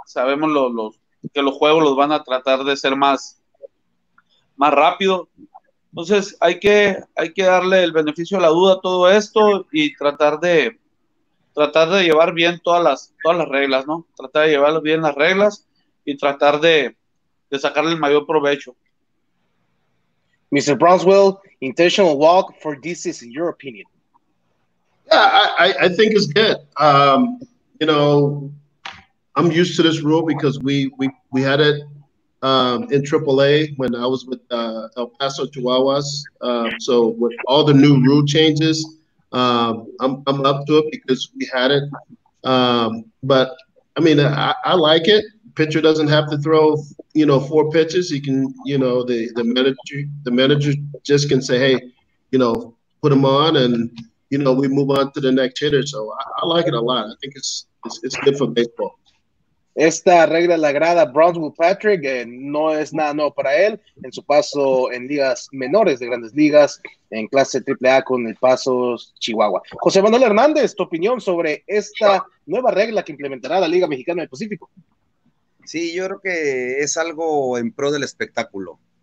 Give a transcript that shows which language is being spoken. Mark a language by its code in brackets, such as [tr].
[es] Sabemos que los juegos los van a tratar de ser más rápido. Entonces, hay que darle el beneficio de la duda a todo esto y tratar de llevar bien todas las reglas, ¿no? Tratar de llevar bien las reglas y tratar de sacarle el mayor provecho. [en] Mr. Bronswell, intentional walk for this is your opinion. Yeah, I think it's good. You know, I'm used to this rule because we had it in AAA when I was with El Paso Chihuahuas. So with all the new rule changes, I'm up to it because we had it. I like it. Pitcher doesn't have to throw, you know, four pitches. He can, you know, the manager just can say, hey, you know, put him on, and you know, we move on to the next hitter. So I like it a lot. I think it's good for baseball. [es] Esta regla le agrada a Bronswell Patrick. No es nada nuevo para él. En su paso en ligas menores de Grandes Ligas, en clase AAA con El Paso Chihuahua. José Manuel Hernández, tu opinión sobre esta nueva regla que implementará la Liga Mexicana del Pacífico. Sí, yo creo que es algo en pro del espectáculo.